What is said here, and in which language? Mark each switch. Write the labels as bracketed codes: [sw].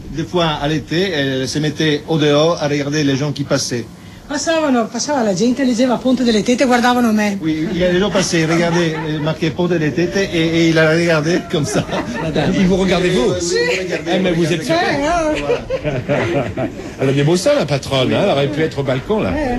[fr] Des fois à l'été, elle se mettait au dehors à regarder les gens qui passaient. [it] Passava la gente, leggeva Ponte delle Tete, guardavano me. [fr] Oui, il y a des gens passés, regardez, marqué Ponte delle Tete, et il a regardé comme ça. Il vous regardez vous? [it] Si. [fr] Mais vous êtes super. Elle a des beaux seins, la patronne, oui. Hein, elle aurait pu être au balcon, là.